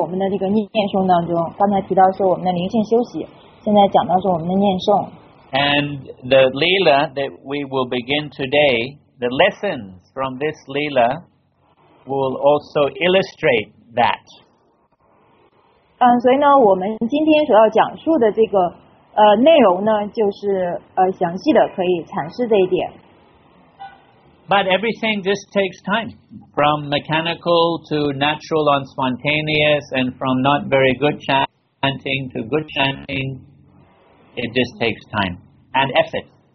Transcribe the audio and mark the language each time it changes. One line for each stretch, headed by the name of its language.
Chinese: 同样呢也是适用于我们的这个念诵当中, 刚才提到说我们的灵性休息, 现在讲到说我们的念诵。
English: And the Leela that we will begin today, the lessons from this Leela will also illustrate that.
Chinese: 所以呢我们今天所要讲述的这个 内容呢就是详细的可以阐释这一点。
English: But everything just takes time, from mechanical to natural and spontaneous, and from not very good chanting to good chanting, it just takes time and effort.